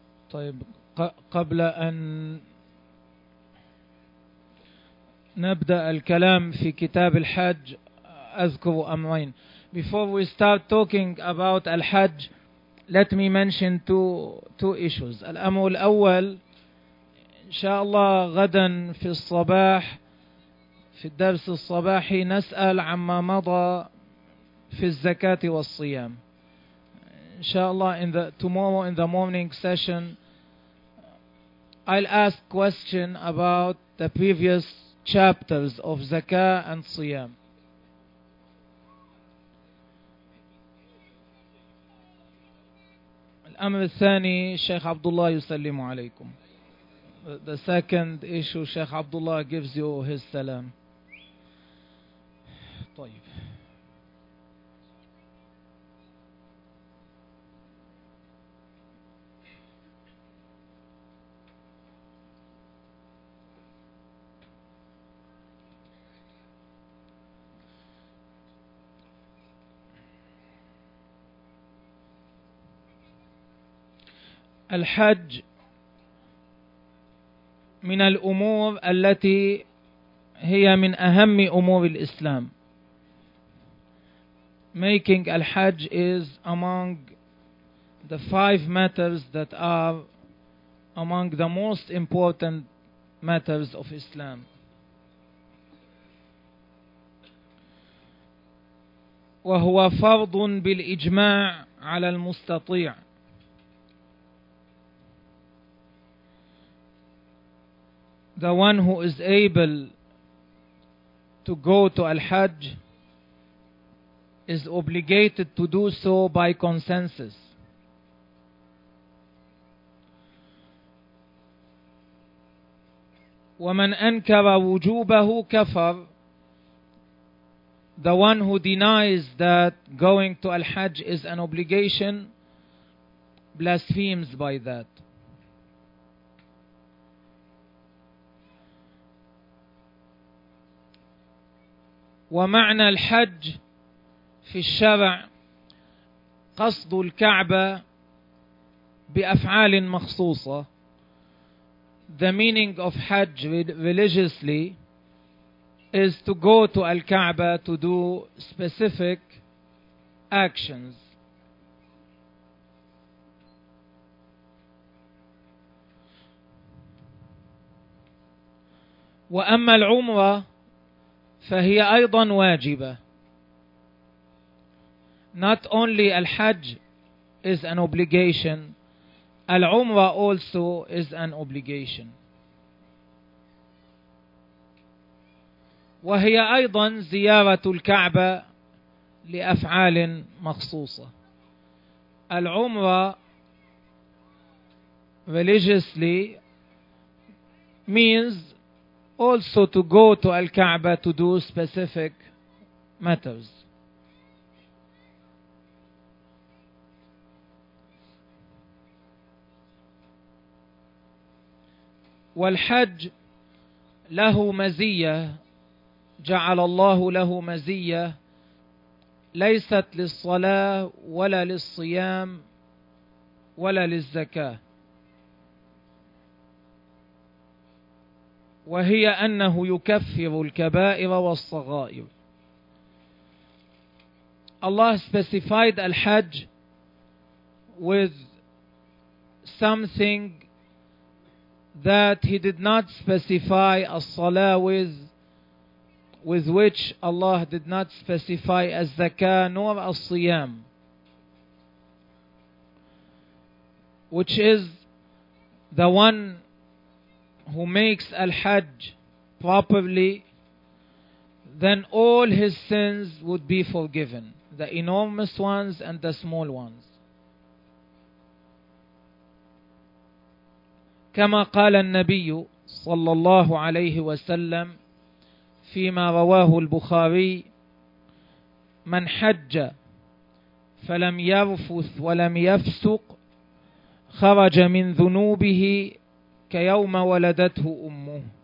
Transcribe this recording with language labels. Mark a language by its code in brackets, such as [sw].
[ar] طيب قبل أن نبدأ الكلام في كتاب الحج أذكر أمرين. [en] Before we start talking about الحج, let me mention two issues. [ar] الأمر الأول, إن شاء الله غدا في الصباح في الدرس الصباحي نسأل عما مضى في الزكاة والصيام. إن شاء الله [en] tomorrow in the morning session I'll ask question about the previous chapters of Zakah and Siyam. [ar] الأمر الثاني شيخ عبد الله يسلم عليكم. [en] The second issue شيخ عبد الله gives you his salam. [ar] طيب. الحج من الأمور التي هي من أهم أمور الإسلام. [en] Making الحج is among the five matters that are among the most important matters of Islam. [ar] وهو فرض بالإجماع على المستطيع. [en] The one who is able to go to Al-Hajj is obligated to do so by consensus. [ar] وَمَنْ أَنْكَرَ وُجُوبَهُ كَفَرْ. [en] The one who denies that going to Al-Hajj is an obligation blasphemes by that. [ar] ومعنى الحج في الشرع قصد الكعبة بأفعال مخصوصة. [en] The meaning of Hajj religiously is to go to Al-Kaaba to do specific actions. [ar] وأما العمرة فهي أيضا واجبة. [en] Not only الحج is an obligation, العمرة also is an obligation. [ar] وهي أيضا زيارة الكعبة لأفعال مخصوصة. [en] العمرة religiously means also to go to Al-Kaaba to do specific matters. [ar] والحج له مزية, جعل الله له مزية ليست للصلاة ولا للصيام ولا للزكاة, وهي أنه يكفر الكبائر والصغائر. [en] Allah specified الحج with something that He did not specify الصلاة with which Allah did not specify الزكاة nor الصيام, which is the one who makes al-hajj properly, then all his sins would be forgiven, the enormous ones and the small ones. [ar] كما قال النبي صلى الله عليه وسلم فيما رواه البخاري من حج فلم يرفث ولم يفسق خرج من ذنوبه كيوم ولدته أمه.